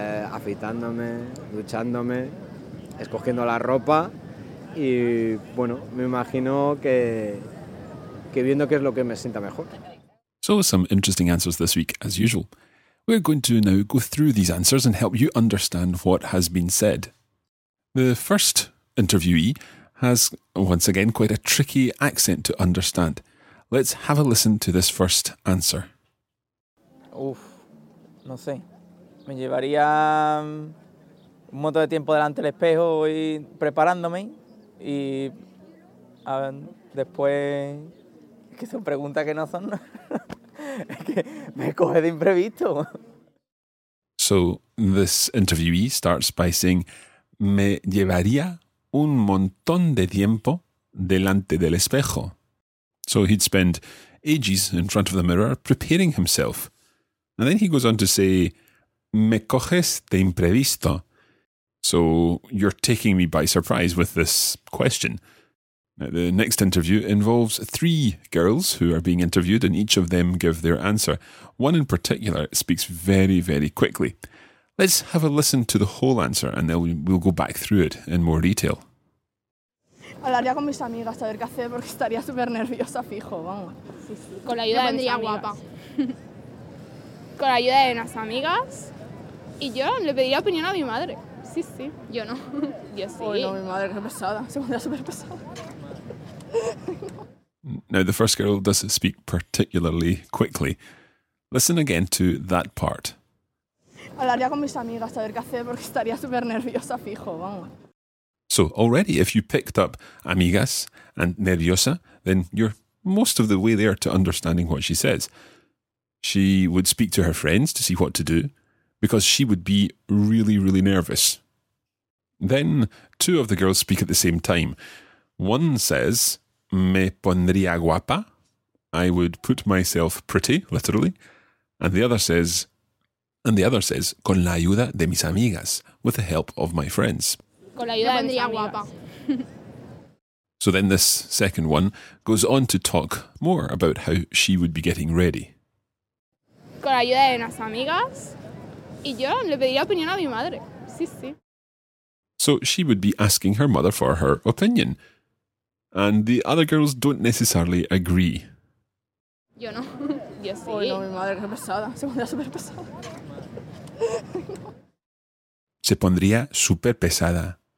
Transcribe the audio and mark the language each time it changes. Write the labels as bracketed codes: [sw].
[es] Afeitándome, duchándome, escogiendo la ropa y, bueno, me imagino que viendo qué es lo que me sienta mejor. [en] So, some interesting answers this week, as usual. We're going to now go through these answers and help you understand what has been said. The first interviewee has, once again, quite a tricky accent to understand. Let's have a listen to this first answer. [es] Uf, no sé. Me llevaría un montón de tiempo delante del espejo y preparándome y a ver, después, es que son preguntas que no son, es que me coge de imprevisto. [en] So, this interviewee starts by saying, [es] me llevaría un montón de tiempo delante del espejo. [en] So, he'd spend ages in front of the mirror preparing himself. And then he goes on to say, [es] me coges de imprevisto. [en] So you're taking me by surprise with this question. Now, the next interview involves three girls who are being interviewed and each of them give their answer. One in particular speaks very, very quickly. Let's have a listen to the whole answer and then we'll go back through it in more detail. [es] Hablaría con mis amigas a ver qué hacer porque estaría súper nerviosa, fijo, vamos. Sí, sí. Con la ayuda de mis guapa. Con la ayuda de unas amigas y yo le pediría opinión a mi madre. sí, sí. Yo no. Yo sí. Oh, no, mi madre, qué pesada. Se pondría súper pesada. [en] Now, the first girl doesn't speak particularly quickly. Listen again to that part. [es] Hablaría con mis amigas a ver qué hacer porque estaría súper nerviosa, fijo, vamos. [en] So, already if you picked up amigas and nerviosa, then you're most of the way there to understanding what she says. She would speak to her friends to see what to do, because she would be really, really nervous. Then two of the girls speak at the same time. One says, [es] me pondría guapa, [en] I would put myself pretty, literally. And the other says, [es] con la ayuda de mis amigas, [en] with the help of my friends. [es] Con la ayuda de mis guapa. [en] So then this second one goes on to talk more about how she would be getting ready. [es] Con la ayuda de unas amigas, y yo le pediría opinión a mi madre. Sí, sí. [en] So she would be asking her mother for her opinion. And the other girls don't necessarily agree. [es] Yo no. Yo sí. Oh, no, mi madre, qué pesada. Se pondría súper pesada. Se pondría súper pesada.